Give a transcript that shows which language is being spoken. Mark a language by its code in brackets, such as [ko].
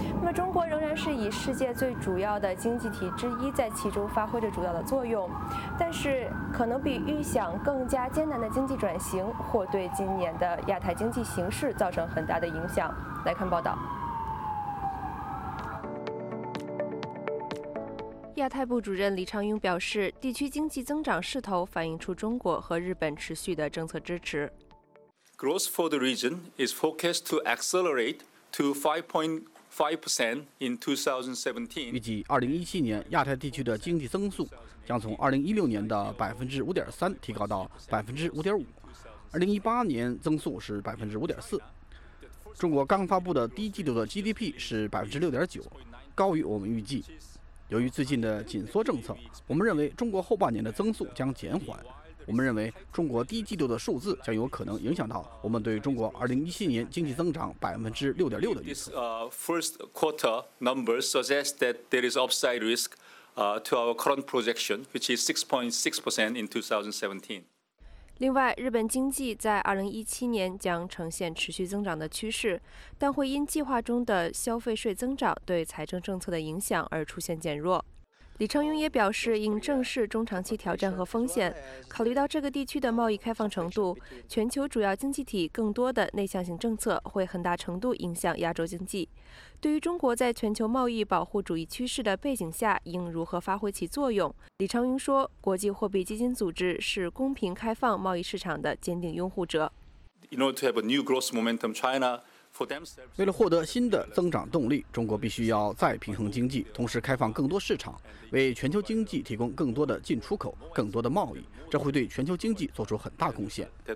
[zh] 那么中国仍然是以世界最主要的经济体之一，在其中发挥着主要的作用，但是可能比预想更加艰难的经济转型或对今年的亚太经济形势造成很大的影响。来看报道。亚太部主任李昌镛表示，地区经济增长势头反映出中国和日本持续的政策支持。 [en] Growth for the region is forecast to accelerate to 5.5% in 2017. [zh] 预计2017年亚太地区的经济增速将从2016年的5.3%提高到5.5%，2018年增速是5.4%。中国刚发布的第一季度的 GDP 是6.9%，高于我们预计。由于最近的紧缩政策，我们认为中国后半年的增速将减缓。我们认为中国第一季度的数字将有可能影响到我们对中国2017年经济增长6.6%的预测。 [en] This first quarter numbers suggest that there is upside risk to our current projection, which is 6.6% in 2017. [zh] 另外，日本经济在2017年将呈现持续增长的趋势，但会因计划中的消费税增长对财政政策的影响而出现减弱。李承勇也表示，应正视中长期挑战和风险，考虑到这个地区的贸易开放程度，全球主要经济体更多的内向性政策会很大程度影响亚洲经济。对于中国在全球贸易保护主义趋势的背景下应如何发挥其作用，李承勇说，国际货币基金组织是公平开放贸易市场的坚定拥护者。 [en] In order to have a new growth momentum, China... [zh] 为了获得新的增长动力，中国必须要再平衡经济，同时开放更多市场，为全球经济提供更多的进出口、更多的贸易，这会对全球经济做出很大贡献。